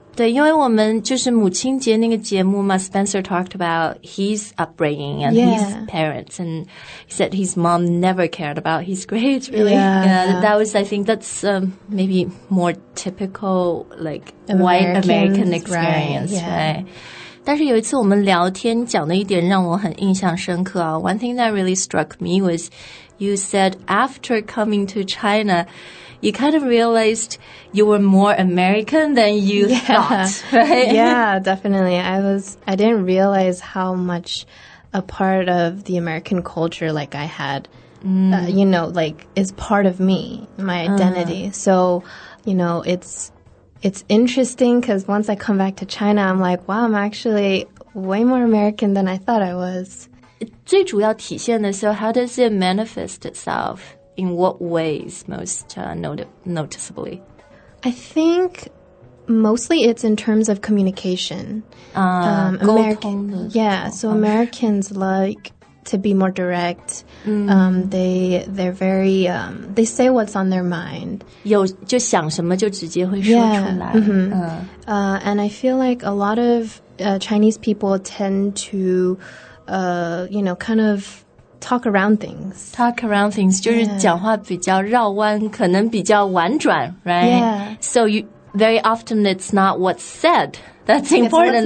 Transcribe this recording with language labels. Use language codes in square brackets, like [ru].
[zh] 对，因为我们就是母亲节那个节目嘛 [en] ，Spencer talked about his upbringing and his parents, and he said his mom never cared about his grades. Really, that was, I think, that's maybe more typical like white American experience, right? [zh] 但是有一次我们聊天讲的一点让我很印象深刻啊。 [en] One thing that really struck me was you said after coming to China. You kind of realized you were more American than you thought, right? Yeah, definitely. I didn't realize how much a part of the American culture like I had, you know, like is part of me, my identity. So, you know, it's interesting because once I come back to China, I'm like, wow, I'm actually way more American than I thought I was. [zh] 最主要体现的是 [en] how does it manifest itself? In what ways most noticeably? I think mostly it's in terms of communication. Americans like to be more direct. They're very, they say what's on their mind. [zh] 有就想什么就直接会说出来。 [en] And I feel like a lot of Chinese people tend to, you know, kind of,Talk around things, [zh] 就是讲话比较绕弯，可能比较婉转 right? [en] Yeah. So very often it's not what's said that's important.